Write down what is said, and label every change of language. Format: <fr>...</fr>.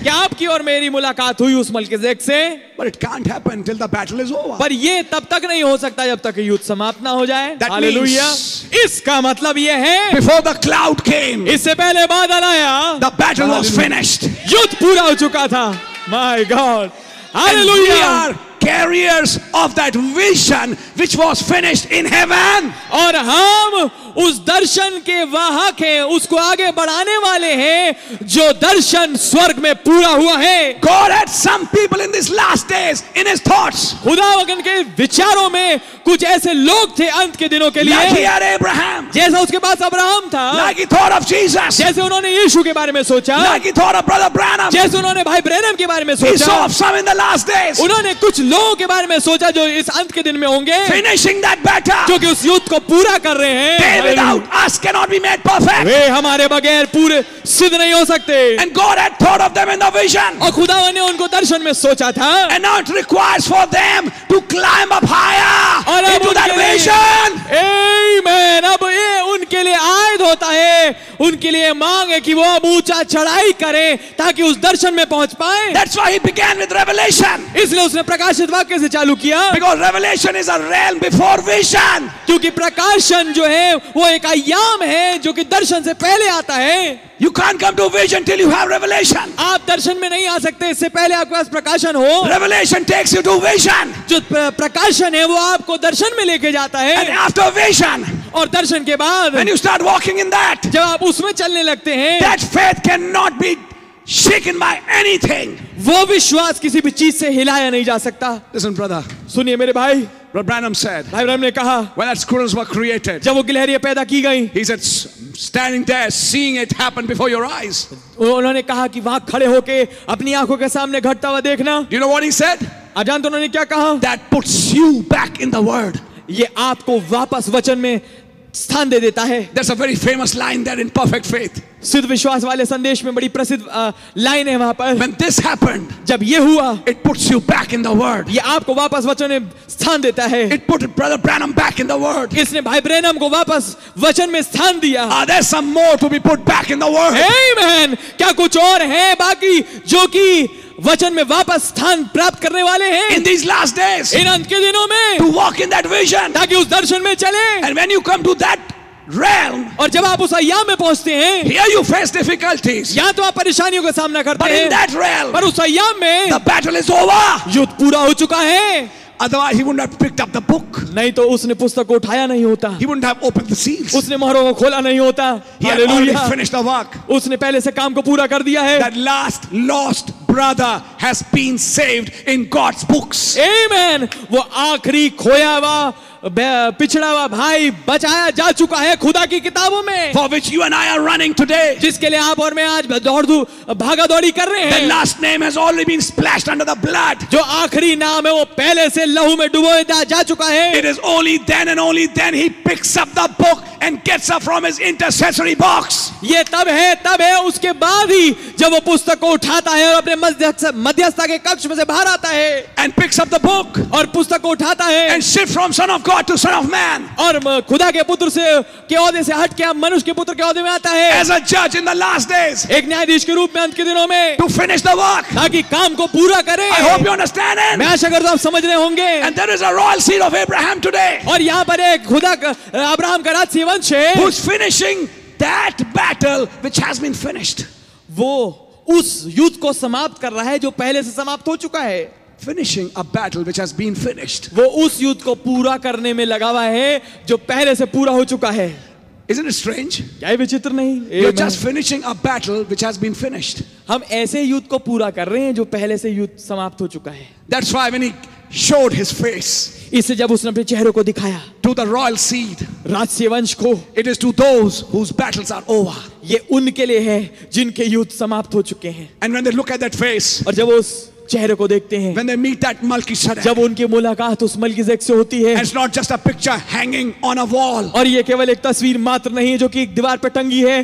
<hi>क्या आपकी और मेरी मुलाकात हुई उस मलकिसदेक से?</hi> <en>But it can't happen till the battle is over.</en> <hi>पर ये तब तक नहीं हो सकता जब तक युद्ध समाप्त ना हो जाए.</hi> <en>That Hallelujah.</en> <hi>इसका मतलब ये है.</hi> <en>Before the cloud came.</en> <hi>इससे पहले बादल आया.</hi> <en>The battle Hallelujah. was finished.</en> <hi>युद्ध पूरा हो चुका था.</hi> <en>My God. Hallelujah. And we are carriers of that vision which was finished in heaven.</en> <hi>और हम उस दर्शन के वाहक हैं, उसको आगे बढ़ाने वाले हैं, जो दर्शन स्वर्ग में पूरा हुआ है.</hi> <en>God had some people in these last days in His thoughts.</en> <hi>खुदावगन के विचारों में कुछ ऐसे लोग थे अंत के दिनों के लिए.</hi> <en>Like he had Abraham.</en> <hi>जैसा उसके पास अब्राहम था.</hi> <en>Like he thought of Jesus.</en> <hi>जैसे उन्होंने यीशु के बारे में सोचा.</hi> <en>Like he thought of Brother Branham.</en> <hi>जैसे उन्होंने भाई ब्रैनम के बारे में सोचा.</hi> <en>He saw of some in the last days.</en> <hi>उन्होंने कुछ लोगों के बारे में सोचा जो इस अंत के दिन में होंगे.</hi> <en>Finishing that battle.</en> <hi>जो कि उस युद्ध को पूरा कर रहे हैं.</hi> <en>Without us cannot be made perfect.</en> <hi>वे हमारे बगैर पूरे सिद्ध नहीं हो सकते.</hi> <en>And God had thought of them in the vision.</en> <hi>और खुदा ने उनको दर्शन में सोचा था.</hi> <en>And now it requires for them to climb up higher into that vision. Amen.</en> <hi>अब ये उनके लिए आयद होता है. उनके लिए मांग है कि वो अब ऊंचा चढ़ाई करें ताकि उस दर्शन में पहुंच पाए.</hi> <en>That's why he began with revelation.</en> <hi>इसलिए उसने प्रकाशित वाक्य से चालू किया.</hi> <en>Because revelation is a realm before vision.</en> <hi>क्योंकि प्रकाशन जो है वो एक आयाम है जो कि दर्शन से पहले आता है.</hi> <en>You can't come to vision till you have revelation.</en> <hi>आप दर्शन में नहीं आ सकते इससे पहले आपके पास प्रकाशन हो.</hi> <en>Revelation takes you to vision.</en> <hi>जो प्रकाशन है वो आपको दर्शन में लेके जाता है.</hi> <en>And after vision,</en> <hi>और दर्शन के बाद,</hi> <en>when you start walking in that,</en> <hi>जब आप उसमें चलने लगते हैं,</hi> <en>that faith cannot be shaken by anything.</en> <hi>वो विश्वास किसी भी चीज से हिलाया नहीं जा सकता.</hi> <en>Listen, brother.</en> <hi>सुनिए मेरे भाई.</hi> <en>Branham said,</en> <hi>Abraham ने कहा,</hi> <en>when that squirrels were created,</en> <hi>जब वो गिलहरियां पैदा की गईं,</hi> <en>he said, standing there, seeing it happen before your eyes.</en> <hi>उन्होंने कहा कि वहां खड़े होके अपनी आंखों के सामने घटता हुआ देखना.</hi> <en>You know what he said?</en> <hi>आप जानते हैं उन्होंने क्या कहा?</hi> <en>That puts you back in the word.</en> <hi>ये आपको वापस वचन में स्थान दे देता है.</hi> <en>There's a very famous line there in perfect faith.</en> <hi>सिद्ध विश्वास वाले संदेश में बड़ी प्रसिद्ध लाइन है वहाँ पर.</hi> <en>When this happened,</en> <hi>जब ये हुआ,</hi> <en>it puts you back in the word.</en> <hi>ये आपको वापस वचन में स्थान देता है.</hi> <en>It put brother Branham back in the word.</en> <hi>इसने भाई ब्रैनम को वापस वचन में स्थान दिया.</hi> <en>Are there some more to be put back in the word? Amen.</en> <hi>क्या कुछ और है बाकी जो कि वचन में वापस स्थान प्राप्त करने वाले हैं?</hi> <en>In these last days,</en> <hi>इन अंत के दिनों में,</hi> <en>to walk in that vision,</en> <hi>ताकि उस दर्शन में चले.</hi> <en>And when you come to that realm,</en> <hi>और जब आप उस आयाम में पहुंचते हैं,</hi> <en>here you face difficulties,</en> <hi>यहां तो आप परेशानियों का सामना करते हैं.</hi> <en>But in that realm,</en> <hi>पर उस आयाम में,</hi> <en>the battle is over,</en> <hi>युद्ध पूरा हो चुका है.</hi> <en>Otherwise, he wouldn't have picked up the book.</en> <hi>नहीं तो उसने पुस्तक को उठाया नहीं होता.</hi> <en>He wouldn't have opened the seals.</en> <hi>उसने मोहरों को खोला नहीं होता.</hi> <en>He had already finished the work.</en> <hi>उसने पहले से काम को पूरा कर दिया है.</hi> <en>That last lost brother has been saved in God's books. Amen.</en> <hi>वो आखरी खोया हुआ पिछड़ा हुआ भाई बचाया जा चुका है खुदा की किताबों में.</hi> <en>For which you and I are running today.</en> <hi>जिसके लिए आप और मैं आज दौड़ भागा दौड़ी कर रहे हैं.</hi> <en>The last name has already been splashed under the blood.</en> <hi>जो आखिरी नाम है वो पहले से लहू में डुबोया जा चुका है.</hi> <en>It is only then and only then he picks up the book and gets up from his intercessory box.</en> <hi>ये तब है उसके बाद ही जब वो पुस्तक को उठाता है और अपने मध्यस्थता के कक्ष में से बाहर आता है.</hi> <en>And picks up the book.</en> <hi>और पुस्तक को उठाता है.</hi> <en>And shift from son of God to son of man.</en> <hi>और खुदा के पुत्र से के ओहदे से हट के अब मनुष्य के पुत्र के ओहदे में आता है.</hi> <en>As a judge in the last days.</en> <hi>एक न्यायाधीश के रूप में अंत के दिनों में.</hi> <en>To finish the work.</en> <hi>ताकि काम को पूरा करे.</hi> <en>I hope you understand it.</en> <hi>मैं आशा करता हूँ आप समझ रहे होंगे.</hi> <en>And there is a royal seal of Abraham today.</en> <hi>और यहाँ पर एक खुदा अब्राहम का राजसी वंश है.</hi> <en>Who's finishing that battle which has been finished.</en> <hi>वो उस युद्ध को समाप्त कर रहा है जो पहले से समाप्त हो चुका है.</hi> <en>Finishing a battle which has been finished.</en> <hi>वो उस युद्ध को पूरा करने में लगा हुआ है जो पहले से पूरा हो चुका है.</hi> <en>Isn't it strange?</en> <hi>क्या ये विचित्र नहीं?</hi> <en>You're just finishing a battle which has been finished.</en> <hi>हम ऐसे युद्ध को पूरा कर रहे हैं जो पहले से युद्ध समाप्त हो चुका है.</hi> <en>That's why when he showed his face.</en> <hi>इसे जब उसने अपने चेहरे को दिखाया.</hi> <en>To the royal seed.</en> <hi>राजसी वंश को.</hi> <en>It is to those whose battles are over.</en> <hi>ये उनके लिए है जिनके युद्ध समाप्त हो चुके हैं.</hi> <en>And when they look at that face.</en> <hi>और जब उस चेहरे को देखते हैं.</hi> <en>When they meet that Melchizedek,</en> <hi>जब उनकी मुलाकात उस मलकीज़ेदेक से होती है.</hi> <en>It's not just a picture hanging on a wall.</en> <hi>और ये केवल एक तस्वीर मात्र नहीं है जो कि एक दीवार पर टंगी है.</hi>